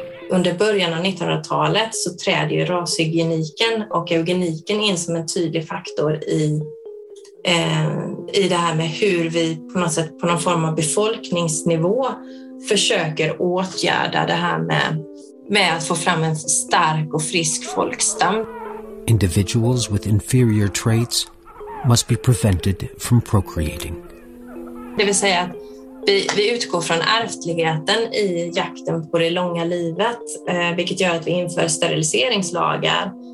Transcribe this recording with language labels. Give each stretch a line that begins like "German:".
Swedish: Under början av 1900-talet så trädde ju rashygieniken och eugeniken in som en tydlig faktor i det här med hur vi på något sätt på någon form av befolkningsnivå försöker åtgärda det här med att få fram en stark och frisk folkstam.
English: Individuals with inferior traits must be prevented from procreating.
Swedish: Det vill säga att vi utgår från ärftligheten i jakten på det långa livet, vilket gör att vi inför steriliseringslagar.